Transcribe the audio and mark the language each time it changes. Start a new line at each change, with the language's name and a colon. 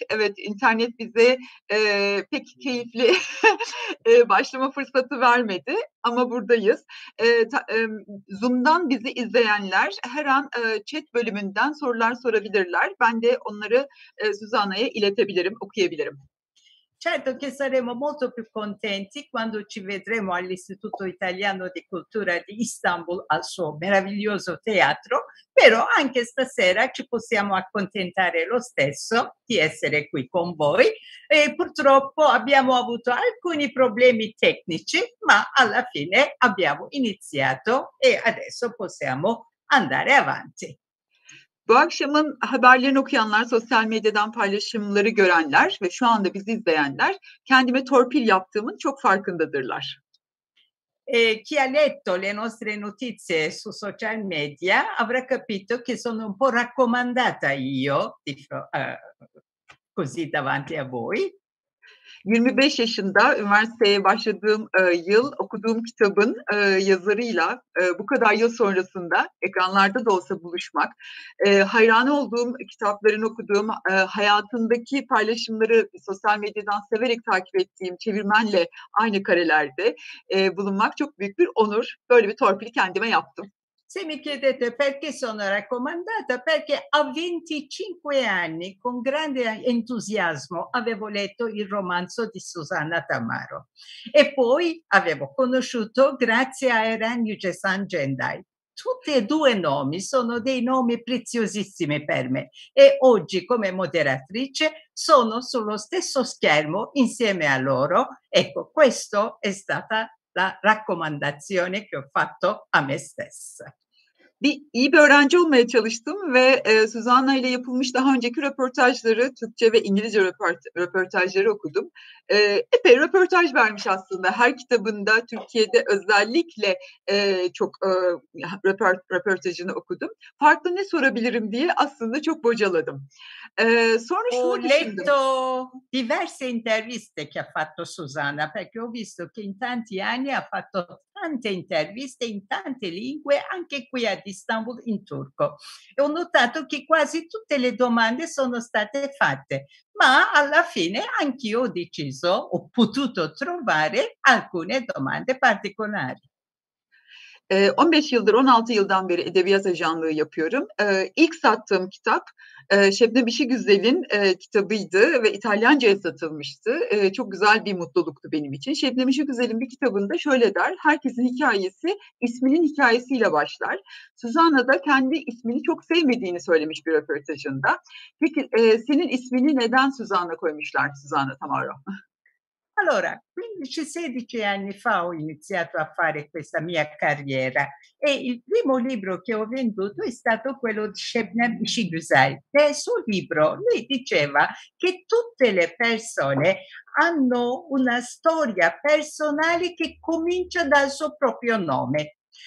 Turkish: Evet, internet bize pek keyifli başlama fırsatı vermedi. Ama buradayız. Zoom'dan bizi izleyenler her an chat bölümünden sorular sorabilirler. Ben de onları Susanna'ya iletebilirim, okuyabilirim.
Italian: Certo che saremo molto più contenti quando ci vedremo all'Istituto Italiano di Cultura di Istanbul al suo meraviglioso teatro, però anche stasera ci possiamo accontentare lo stesso di essere qui con voi. E purtroppo abbiamo avuto alcuni problemi tecnici, ma alla fine abbiamo iniziato e adesso possiamo andare avanti.
Turkish: Bu akşamın haberlerini okuyanlar, sosyal medyadan paylaşımları görenler ve şu anda bizi izleyenler kendime torpil yaptığımın çok farkındadırlar.
Italian: Chi ha letto le nostre notizie su social media avrà capito che sono un po' raccomandata io, così davanti a voi.
Turkish: 25 yaşında üniversiteye başladığım yıl okuduğum kitabın yazarıyla bu kadar yıl sonrasında ekranlarda da olsa buluşmak, hayran olduğum kitapların okuduğum hayatındaki paylaşımları sosyal medyadan severek takip ettiğim çevirmenle aynı karelerde bulunmak çok büyük bir onur. Böyle bir torpili kendime yaptım.
Italian: Se mi chiedete perché sono raccomandata, perché a 25 anni, con grande entusiasmo, avevo letto il romanzo di Susanna Tamaro. E poi avevo conosciuto grazie a Eranio Gesan Gendai. Tutti e due nomi sono dei nomi preziosissimi per me. E oggi, come moderatrice, sono sullo stesso schermo insieme a loro. Ecco, questo è stata la raccomandazione che ho fatto a me stessa.
Turkish: Bir iyi bir öğrenci olmaya çalıştım ve Susanna ile yapılmış daha önceki röportajları, Türkçe ve İngilizce röportajları okudum. Epey röportaj vermiş aslında. Her kitabında Türkiye'de özellikle çok röportajını okudum. Farklı ne sorabilirim diye aslında çok bocaladım. Sonra şunu düşündüm.
Italian: Letto diverse interviste che ha fatto Susanna, perché ho visto che in tanti anni ha fatto tante interviste in tante lingue, anche qui ad Istanbul in turco. E ho notato che quasi tutte le domande sono state fatte, ma alla fine anch'io ho deciso, ho potuto trovare alcune domande particolari.
Turkish: 15 yıldır, 16 yıldan beri edebiyat ajanlığı yapıyorum. İlk sattığım kitap Şebnem İşigüzel'in kitabıydı ve İtalyanca'ya satılmıştı. Çok güzel bir mutluluktu benim için. Şebnem İşigüzel'in bir kitabında şöyle der: herkesin hikayesi isminin hikayesiyle başlar. Susanna da kendi ismini çok sevmediğini söylemiş bir röportajında. Peki senin ismini neden Susanna koymuşlar, Susanna Tamaro?
Italian: Allora, 15-16 anni fa ho iniziato a fare questa mia carriera e il primo libro che ho venduto è stato quello di Şebnem İşigüzel. Nel suo libro lui diceva che tutte le persone hanno una storia personale che comincia dal suo proprio nome.